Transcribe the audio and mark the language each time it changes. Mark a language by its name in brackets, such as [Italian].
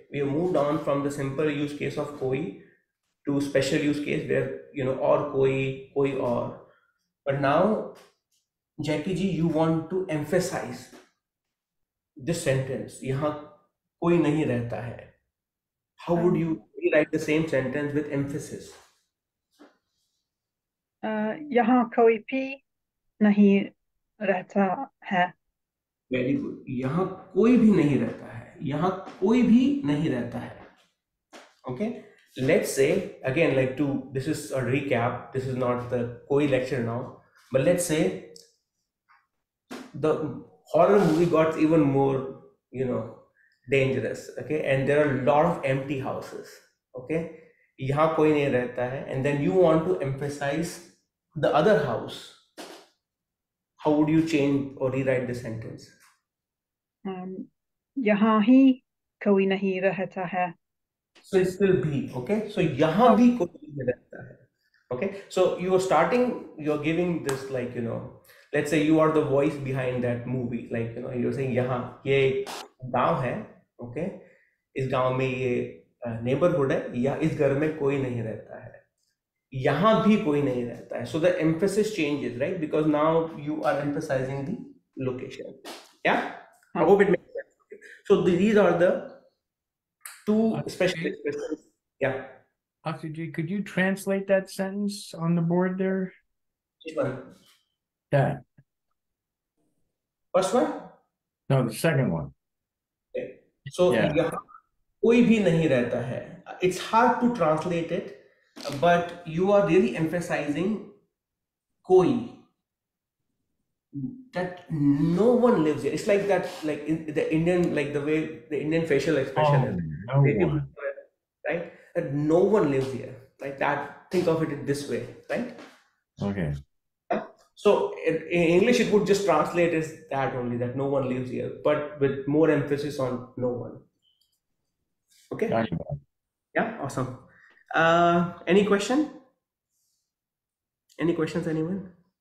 [English] we have moved on from the simple use case of कोई two special use case where you know [Hindi] और कोई कोई और. [English] but now Jackie ji, you want to emphasise this sentence, [Hindi] यहाँ कोई नहीं रहता है. [English] How would you rewrite the same sentence with emphasis? [Hindi] यहाँ कोई भी नहीं रहता है. [English] Very good. [Hindi] यहाँ कोई भी नहीं रहता है. यहाँ कोई भी नहीं रहता है. [English] Okay? Let's say again, like to this is a recap. This is not the कोई lecture now. But let's say the horror movie got even more, dangerous. Okay, and there are a lot of empty houses. [Hindi] Okay, यहाँ कोई नहीं रहता है. [English] And then you want to emphasize the other house. How would you change or rewrite the sentence? [Hindi] यहाँ ही कोई नहीं रहता है. [English] So it's still be. [Hindi] Okay, so यहाँ भी कोई नहीं रहता है. [English] Okay, so you are starting, you're giving this like let's say you are the voice behind that movie. Like you're saying [Hindi] यहाँ ये गांव है. ओके, इस गांव में ये नेबरहुड है, या इस घर में कोई नहीं रहता है, यहाँ भी कोई नहीं रहता है. [English] So the emphasis changes, right? Because now you are emphasising the location. Yeah I hope it makes sense. So these are the two special expressions. Yeah Akshay, could you translate that sentence on the board there? First That. One. No, the second one. So Yeah. [Hindi] यहाँ कोई भी नहीं रहता है. [English] It's hard to translate it, but you are really emphasising कोई, that no one lives here. It's like that, like in the Indian, like the way the Indian facial expression Oh, is, no one. Right, that no one lives here. like that. Think of it this way, right? Okay. So in English, it would just translate as that only, that no one lives here, but with more emphasis on no one. Okay. Yeah, awesome. Any question? Any questions, anyone?